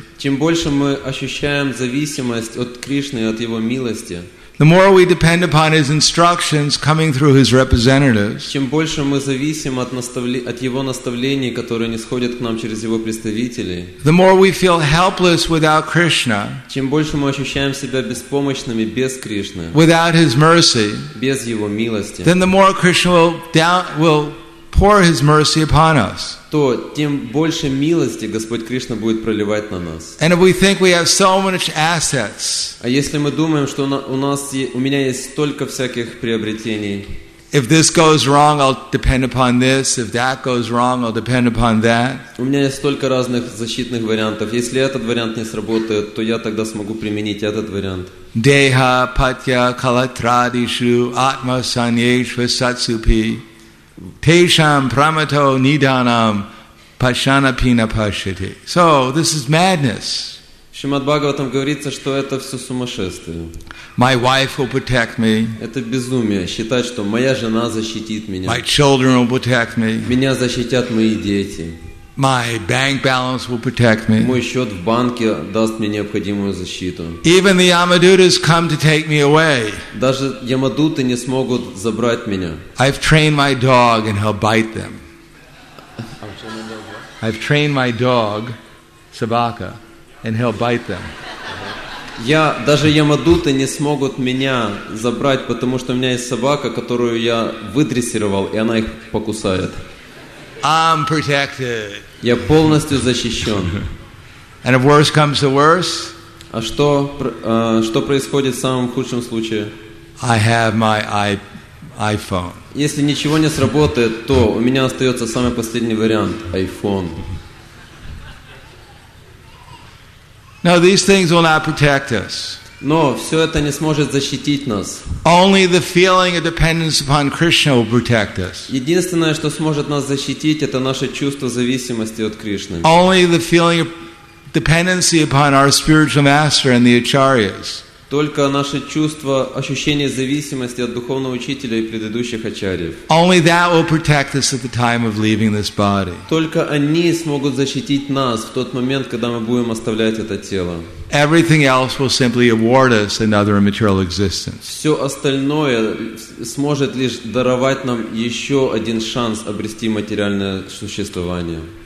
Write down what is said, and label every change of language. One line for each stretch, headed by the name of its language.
Russian: чем больше мы ощущаем зависимость от Кришны, от его милости,
English: the more we depend upon his instructions coming through his representatives,
Russian: чем больше мы зависим от его наставлений, которые нисходят к нам через его представителей,
English: the more we feel helpless without Krishna,
Russian: чем больше мы ощущаем себя беспомощными без Кришны,
English: without his mercy,
Russian: без его милости,
English: then the more Krishna will pour his mercy upon us,
Russian: то тем больше милости Господь Кришна будет проливать на нас.
English: And if we think we have so much assets,
Russian: а если мы думаем, что у меня есть столько всяких приобретений,
English: if this goes wrong, I'll depend upon this. If that goes wrong, I'll depend upon that.
Russian: У меня есть столько разных защитных вариантов. Если этот вариант не сработает, то я тогда смогу применить этот вариант.
Sanskrit: Deha patya kalatradishu atma sanyeshva satsupi Tesham Pramato Nidanam Pashana Pina Pashiti.
English: So this is madness.
Russian: Шримад Бхагаватам говорится, что это все сумасшествие.
English: My wife will protect me.
Russian: Это безумие. Считать, что моя жена защитит меня.
English: My children will protect me.
Russian: Меня защитят мои дети.
English: My bank balance will protect me.
Russian: Мой счет в банке даст мне необходимую защиту.
English: Even the Yamadutas come to take me away.
Russian: Даже Ямадуты не смогут забрать меня.
English: I've trained my dog and he'll bite them. I've trained my dog,
Russian: Собака,
English: and he'll bite them.
Russian: Я даже Ямадуты не смогут меня забрать, потому что у меня есть собака, которую я выдрессировал, и она их покусает.
English: I'm protected.
Russian: Я полностью защищен.
English: And if worse comes to worse,
Russian: а что, что происходит в самом худшем случае?
English: I have my iPhone.
Russian: Если ничего не сработает, то у меня остается самый последний вариант – iPhone.
English: Now these things will not protect us.
Russian: Но все это не сможет защитить нас.
English: Only the feeling of dependence upon Krishna will protect us.
Russian: Единственное, что сможет нас защитить, это наше чувство зависимости от Кришны.
English: Only the feeling of dependency upon our spiritual master and the acharyas.
Russian: Только наше чувство, ощущение зависимости от духовного учителя и предыдущих ачарьев.
English: Only that will protect us at the time of leaving this body.
Russian: Только они смогут защитить нас в тот момент, когда мы будем оставлять это тело.
English: Everything else will simply award us another material existence.
Russian: Все остальное сможет лишь даровать нам еще один шанс обрести материальное существование.